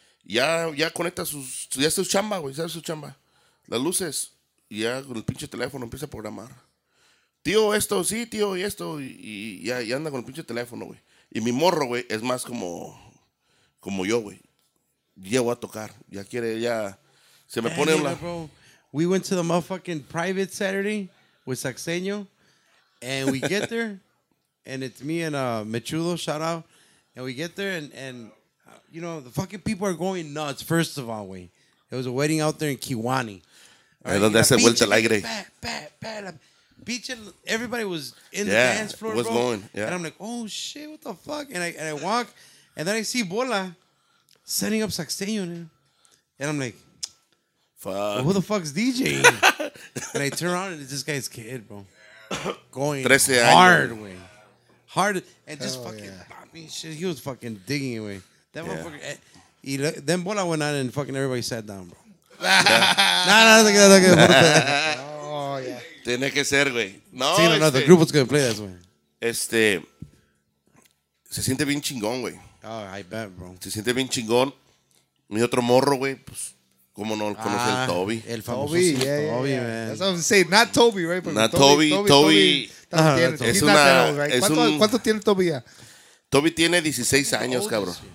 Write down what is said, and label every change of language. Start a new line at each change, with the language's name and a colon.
Spanish: Ya conecta sus... Ya su chamba, güey, ya su chamba. Las luces, y ya con el pinche teléfono empieza a programar. Tío, esto, sí, tío, y esto, y anda con el pinche teléfono, güey. Y mi morro, güey, es más como yo, güey. Ya voy a tocar, ya quiere, ya se me pone la...
English: Bro. We went to the motherfucking private Saturday with Saxeño, and we get there, and it's me and Mechudo, shout out, and we get there, and you know, the fucking people are going nuts, first of all, we. It was a wedding out there in Kewanee.
Spanish: Right, es donde hace pinche, vuelta el aire.
English: Pinche, everybody was in the dance floor, what's bro. Going? Yeah. And I'm like, oh shit, what the fuck? And I walk, and then I see Bola setting up Saxteño. And I'm like, fuck. Well, who the fuck's DJ? And I turn around, and it's this guy's kid, bro. Going hard way. Hard, and just popping shit. He was fucking digging away. That motherfucker. He then Bola went on, and fucking everybody sat down, bro.
Spanish: No, tiene que ser, güey. No, sí, no,
English: the group was gonna play this, güey.
Spanish: Se siente bien chingón, güey.
English: Oh, I bet, bro.
Spanish: Se siente bien chingón. Mi otro morro, güey, pues, ¿cómo no lo conoce? El Toby. El famoso Toby, man.
English: That's what I'm saying. Not Toby, right?
Spanish: Porque not Toby, Toby. Es una... ¿Cuánto tiene Toby ya? Toby tiene 16 años, cabrón.